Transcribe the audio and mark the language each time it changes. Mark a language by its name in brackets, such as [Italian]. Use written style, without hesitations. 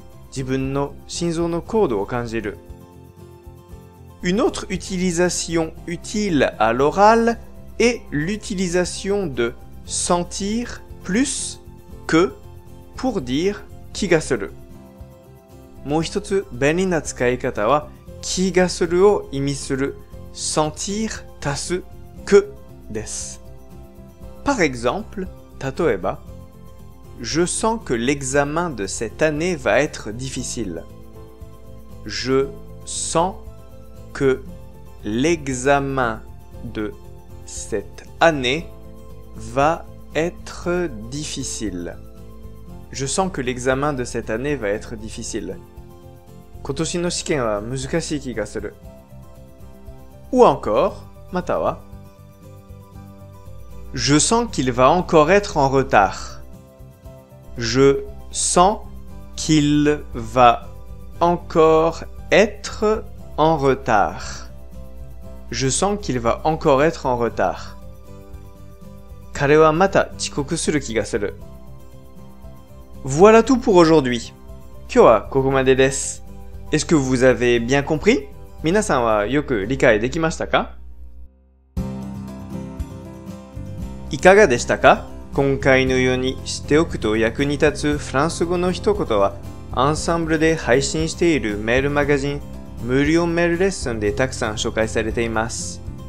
[Japanese] 自分の心臓のコードを感じる。 [French] Une autre utilisation utile à l'oral est l'utilisation de sentir plus que pour dire [Japanese] 気がする。もう一つ便利な使い方は気がするを意味する sentir 足す que です。 [French] Par exemple, [Japanese] 例えば [French] Je sens que l'examen de cette année va être difficile. Je sens que l'examen de cette année va être difficile. Je sens que l'examen de cette année va être difficile. [Japanese] 今年の試験は難しい気がする。 [French] Ou encore, [Japanese] または, [French] Je sens qu'il va encore être en retard. Je sens qu'il va encore être en retard. Je sens qu'il va encore être en retard. [Japanese] 彼はまた遅刻する気がする。 [French] Voilà tout pour aujourd'hui. [Japanese] 今日はここまでです。 [French] Est-ce que vous avez bien compris? [Japanese] 皆さんはよく理解できましたか? いかがでしたか? 今回のように知っておくと役に立つフランス語の一言は、アンサンブルで配信しているメールマガジン、無料メールレッスンでたくさん紹介されています。